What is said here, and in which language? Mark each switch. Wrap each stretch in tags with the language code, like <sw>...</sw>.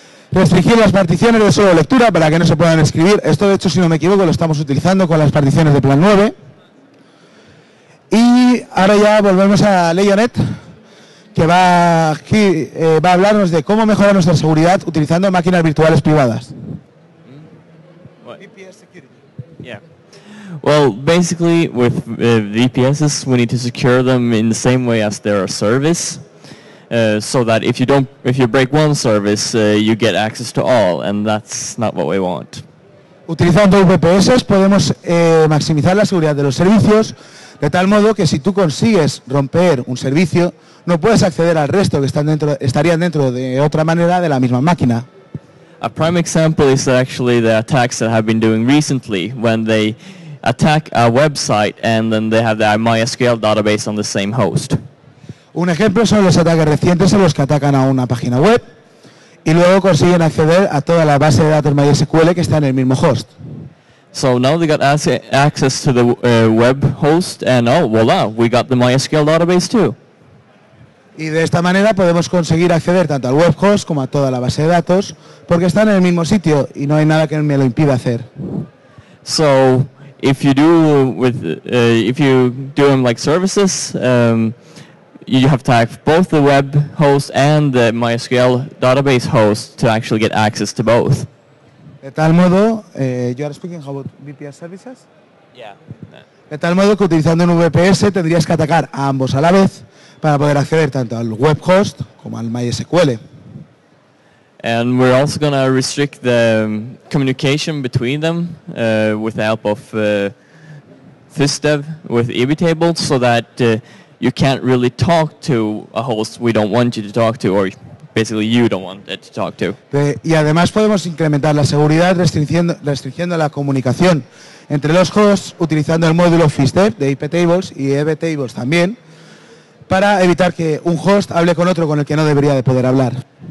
<es>Restringir las particiones de solo lectura para que no se puedan escribir. Esto, de hecho, si no me equivoco, lo estamos utilizando con las particiones de plan 9. Y ahora ya volvemos a Leonet, que va a hablarnos de cómo mejorar nuestra seguridad utilizando máquinas virtuales privadas.</es> <en>VPS security. Yeah. Well, basically, with VPSs, we need to secure them in the same way as their service, so that if you break one service, you get access to all, and that's not what we want.</en> <es>Utilizando VPSs podemos maximizar la seguridad de los servicios de tal modo que si tú consigues romper un servicio, no puedes acceder al resto que estarían dentro de otra manera de la misma máquina.</es> <en>A prime example is actually the attacks that have been doing recently when they attack a website and then they have the MySQL database on the same host.</en> <es>Un ejemplo son los ataques recientes en los que atacan a una página web y luego consiguen acceder a toda la base de datos MySQL que está en el mismo host.</es> <en>So now they got access to the web host and oh, voila, we got the MySQL database too.</en> <es>Y de esta manera podemos conseguir acceder tanto al web host como a toda la base de datos porque están en el mismo sitio y no hay nada que me lo impida hacer.</es> <en>So, if you do with if you do them like services, you have to have both the web host and the MySQL database host to actually get access to both.</en> <es>De tal modo,</es> <en>you are speaking about VPS services? Yeah.</en> <es>De tal modo que utilizando un VPS tendrías que atacar a ambos a la vez para poder acceder tanto al web host como al MySQL.</es> <en>And we're also going to restrict the communication between them with the help of FISDEV with EBTable so that you can't really talk to a host we don't want you to talk to, or basically you don't want it to talk to.</en> <es>Y además podemos incrementar la seguridad restringiendo la comunicación entre los hosts utilizando el módulo FISTEP de IP Tables y EB Tables también, para evitar que un host hable con otro con el que no debería de poder hablar.</es>